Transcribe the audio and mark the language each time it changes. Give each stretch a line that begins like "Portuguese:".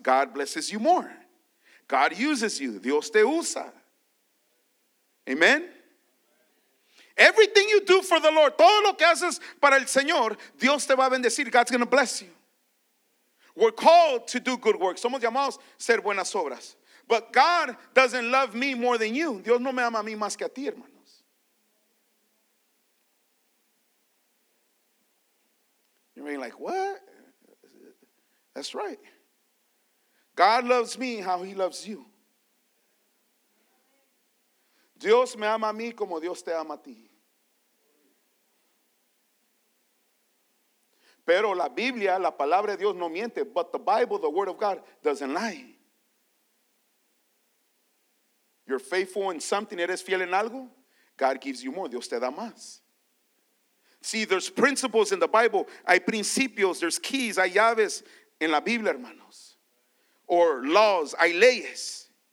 English: God blesses you more. God uses you.
Spanish: Dios te usa.
English: Amen. Everything you do for the Lord,
Spanish: todo lo que haces para el Señor, Dios te va a bendecir.
English: God's going to bless you. We're called to do good works.
Spanish: Somos llamados a ser buenas obras.
English: But God doesn't love me more than you.
Spanish: Dios no me ama a mí más que a ti, hermanos.
English: You're being like, what? That's right. God loves me how he loves you.
Spanish: Dios me ama a mí como Dios te ama a ti. Pero la Biblia, la palabra de Dios no miente.
English: But the Bible, the word of God, doesn't lie. You're faithful in something.
Spanish: Eres fiel en algo.
English: God gives you more.
Spanish: Dios te da más.
English: See, there's principles in the Bible.
Spanish: Hay principios.
English: There's keys.
Spanish: Hay llaves en la Biblia, hermanos.
English: Or laws.
Spanish: Hay leyes.